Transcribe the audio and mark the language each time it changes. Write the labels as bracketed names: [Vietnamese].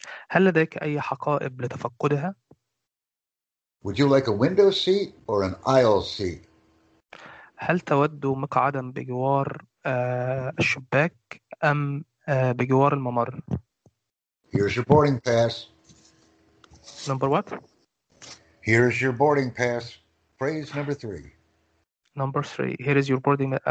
[Arabic] هل لديك أي حقائب لتفقدها؟ [English] Would you like a window seat or an aisle seat? [Arabic] هل تود مقعدا بجوار الشباك أم بجوار الممر؟ [English] Here's your boarding pass. Number what? Here's your boarding pass. Phrase number three. Number three. Here is your boarding.